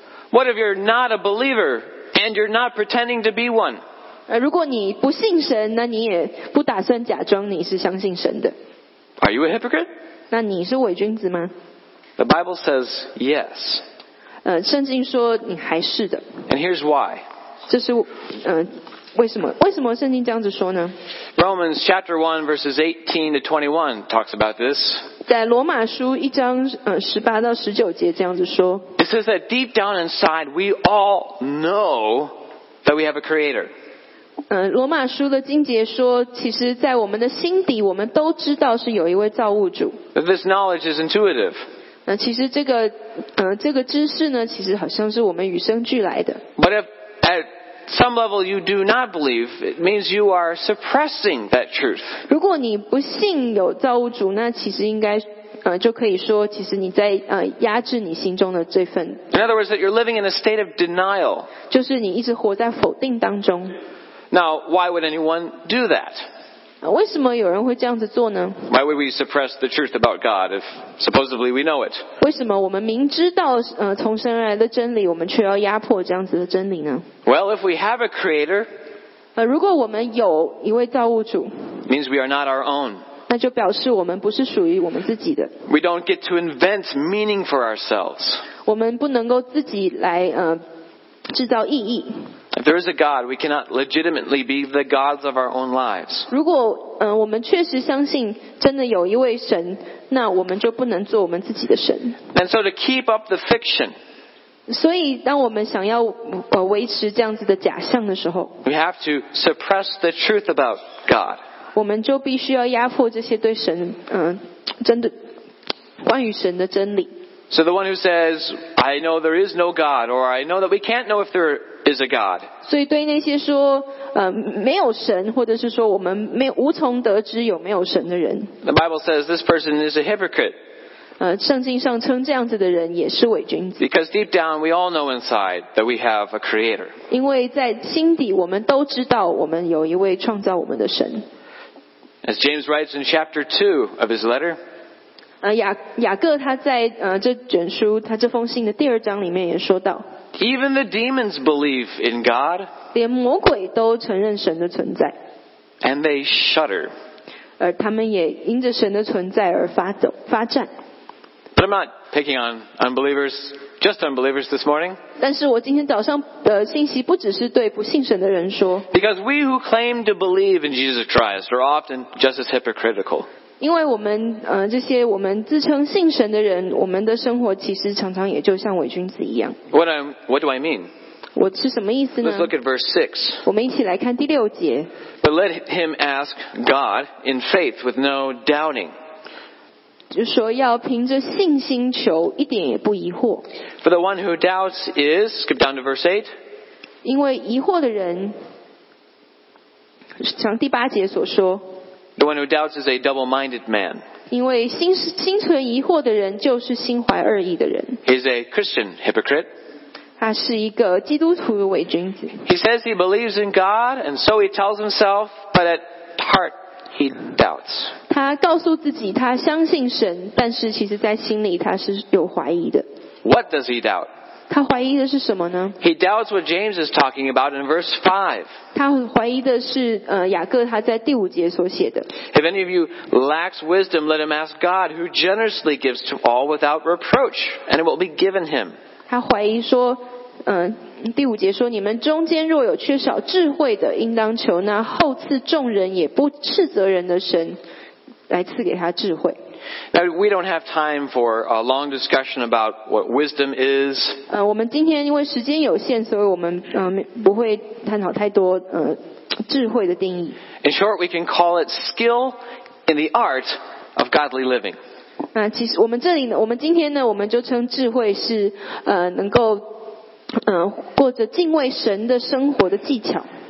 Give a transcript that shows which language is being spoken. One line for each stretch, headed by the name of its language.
English: What if you're not a believer and you're not pretending to be one?
Chinese: 如果你不信神，那你也不打算假装你是相信神的。
English: Are you a hypocrite?
Chinese: 那你是伪君子吗？
English: The Bible says yes.
Chinese: 圣经说你还是的。
English: And here's why.
Chinese: 这是为什么？为什么圣经这样子说呢？
English: Romans chapter 1 verses 18 to 21 talks about this.
Chinese: 在罗马书一章18到19节这样子说。
English: It says that deep down inside we all know that we have a creator.
Chinese: 罗马书的经节说，其实在我们的心底，我们都知道是有一位造物主。
English: This knowledge is intuitive.
Chinese: 其实这个知识呢，其实好像是我们与生俱来的。
English: But if at some level you do not believe, it means you are suppressing that truth.
Chinese: 如果你不信有造物主，那其实应该就可以说，其实你在压制你心中的这份。
English: In other words, that you're living in a state of denial.
Chinese: 就是你一直活在否定当中。
English: Now, why would anyone do that?
Chinese: 为什么有人会这样子做呢？
English: Why would we suppress the truth about God if supposedly we know it?
Chinese: 为什么我们明知道从神而来的真理，我们却要压迫这样子的真理呢？
English: Well, if we have a creator,
Chinese: 如果我们有一位造物主，
English: means we are not our own.
Chinese: 那就表示我们不是属于我们自己的。
English: We don't get to invent meaning for ourselves.
Chinese: 我们不能够自己来制造意义。
English: If there is a God, we cannot legitimately be the gods of our own lives.
Chinese: 如果我们确实相信真的有一位神，那我们就不能做我们自己的神。
English: And so to keep up the fiction,
Chinese: 所以当我们想要维持这样子的假象的时候，
English: we have to suppress the truth about God.
Chinese: 我们就必须要压迫这些对神真的关于神的真理。
English: So the one who says, I know there is no God, or I know that we can't know if there is a God.
Chinese: 所以对那些说没有神，或者是说我们没无从得知有没有神的人，
English: The Bible says this person is a hypocrite.
Chinese: 圣经上称这样子的人也是伪君子。
English: Because deep down we all know inside that we have a creator.
Chinese: 因为在心底我们都知道我们有一位创造我们的神。
English: As James writes in chapter 2 of his letter,
Chinese: 雅各他在这卷书他这封信的第二章里面也说到
English: Even the demons believe in God
Chinese: 连魔鬼都承认神的存在
English: And they shudder
Chinese: 他们也因着神的存在而发战
English: But I'm not picking on unbelievers just unbelievers this morning
Chinese: 但是我今天早上的信息不只是对不信神的人说
English: Because we who claim to believe in Jesus Christ are often just as hypocritical
Chinese: 因为我们这些我们自称信神的人，我们的生活其实常常也就像伪君子一样。
English: What do I mean?
Chinese: 我是什么意思呢？
English: Let's look at verse 6.
Chinese: 我们一起来看第六节。
English: But let him ask God in faith with no doubting.
Chinese: 就说要凭着信心求，一点也不疑惑。
English: For the one who doubts is, skip down to verse 8.
Chinese: 因为疑惑的人，像第八节所说。
English: The one who doubts is a double-minded man.
Chinese: 因为心存疑惑的人就是心怀二意的人。
English: He's a Christian hypocrite.
Chinese: 他是一个基督徒的伪君子。
English: He says he believes in God, and so he tells himself, but at heart he doubts.
Chinese: 他告诉自己他相信神，但是其实在心里他是有怀疑的。
English: What does he doubt?
Chinese: 他怀疑的是什么呢？
English: He doubts what James is talking about in verse 5.
Chinese: 他怀疑的是雅各他在第五节所写的。
English: If any of you lacks wisdom, let him ask God, who generously gives to all without reproach, and it will be given him.
Chinese: 他怀疑说第五节说你们中间若有缺少智慧的应当求那厚赐众人也不斥责人的神来赐给他智慧。
English: Now, we don't have time for a long discussion about what wisdom is.
Chinese: 我们今天因为时间有限，所以我们不会探讨太多智慧的定义。
English: In short, we can call it skill in the art of godly living.
Chinese: 其实我们这里呢，我们今天呢，我们就称智慧是能够过着敬畏神的生活的技巧。